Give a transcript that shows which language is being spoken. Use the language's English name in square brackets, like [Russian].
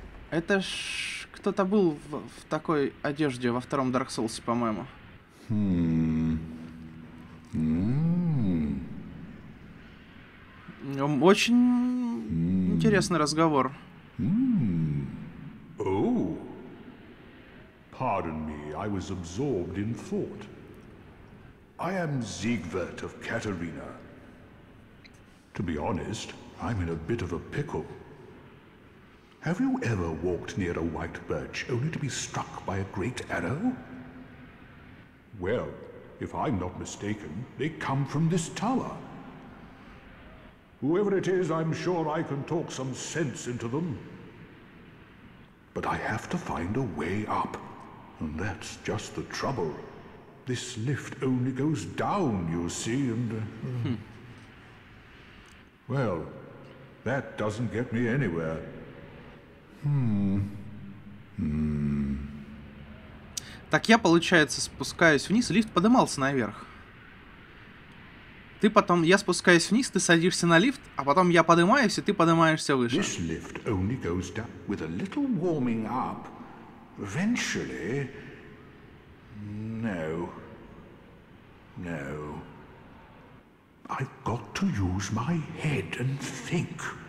[Russian] Это ж кто-то был в такой одежде во втором Dark Souls, по-моему. Очень интересный разговор. [English] Pardon me, I was absorbed in thought. I am Siegvert of Katarina. To be honest, I'm in a bit of a pickle. Have you ever walked near a white birch only to be struck by a great arrow? Well, if I'm not mistaken, they come from this tower. Whoever it is, I'm sure I can talk some sense into them. But I have to find a way up. And that's just the trouble. This lift only goes down, you see, and... Well, that doesn't get me anywhere. [Russian] Так я, получается, спускаюсь вниз, лифт подымался наверх. Ты потом... Я спускаюсь вниз, ты садишься на лифт, а потом я подымаюсь, и ты поднимаешься выше. [English] This lift only goes down with a little warming up. Eventually... No. No. I've got to use my head and think.